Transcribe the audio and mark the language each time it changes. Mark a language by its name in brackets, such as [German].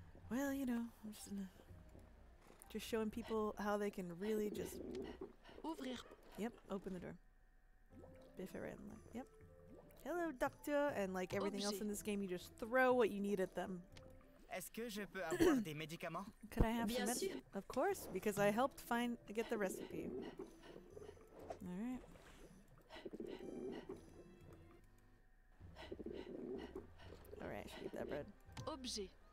[English] Well, you know, I'm just showing people how they can really just... [French] Ouvrir. [English] Yep, open the door. Biff it randomly. Yep. Hello, doctor! And like everything else in this game, you just throw what you need at them. [French] Est-ce que je peux avoir des médicaments? [English] Could I have [French] Bien [English] some [French] sûr. Med- [English] Of course, because I helped find get the recipe. All right. All right, eat that bread. [French] Objet.